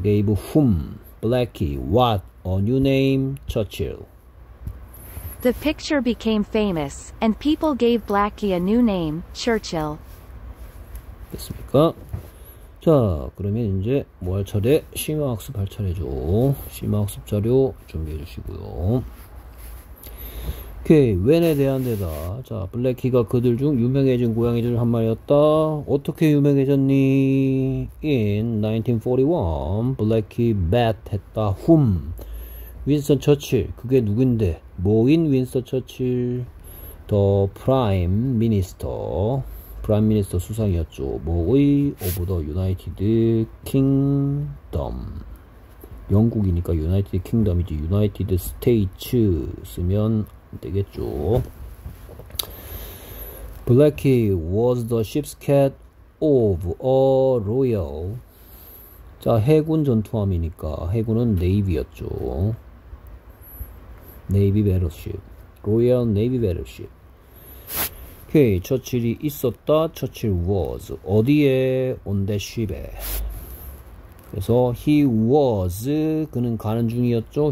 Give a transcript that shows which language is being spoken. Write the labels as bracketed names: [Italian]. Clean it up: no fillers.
[English] gave whom Blackie what a new name 처칠. The picture became famous, and people gave Blackie a new name, Churchill. [Korean] 됐습니까? 자, 그러면 이제 뭐할 차례? 심화학습 할 차례죠. 심화학습 자료 준비해 주시고요. 오케이. 웬에 대한 대답. 자, 블래키가 그들 중 유명해진 고양이 중한 마리였다. 어떻게 유명해졌니? [English] In 1941, [Korean] 블래키 bat 했다. Whom? 윈스턴 처칠. 그게 누군데? 뭐인 윈스턴 처칠? The Prime Minister. [English] Prime Minister 수상이었죠. 뭐의? Of the United Kingdom. [Korean] 영국이니까 United Kingdom이지. United States 쓰면 되겠죠. [English] Blackie was the ship's cat of a royal. [Korean] 자, 해군 전투함이니까 해군은 네이비였죠. 네이비 배러쉽. [English] Royal Navy Battleship. [Korean] 오케이, 처칠이 있었다. 처칠 was 어디에? [English] On the ship [Korean] 에. 그래서 [English] he was [Korean] 그는 가는 중이었죠.